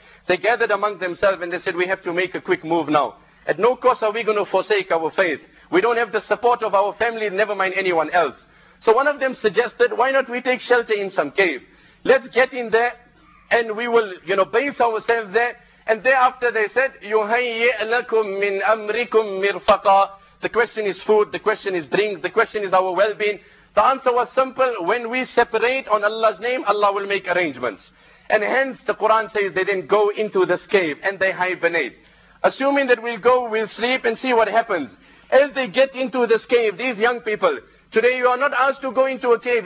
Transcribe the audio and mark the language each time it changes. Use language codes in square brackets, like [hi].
[en] They gathered among themselves and they said, we have to make a quick move now. At no cost are we going to forsake our faith. We don't have the support of our family, never mind anyone else. So one of them suggested, why not we take shelter in some cave? Let's get in there and we will, you know, base ourselves there And thereafter they said, [ar] يُهَيِّئْ لَكُمْ مِنْ أَمْرِكُمْ مِرْفَقًا. [en] The question is food, the question is drinks, the question is our well-being. The answer was simple, when we separate on Allah's name, Allah will make arrangements. And hence the Quran says they didn't go into this cave and they hibernate. Assuming that we'll go, we'll sleep and see what happens. As they get into this cave, these young people, today you are not asked to go into a cave.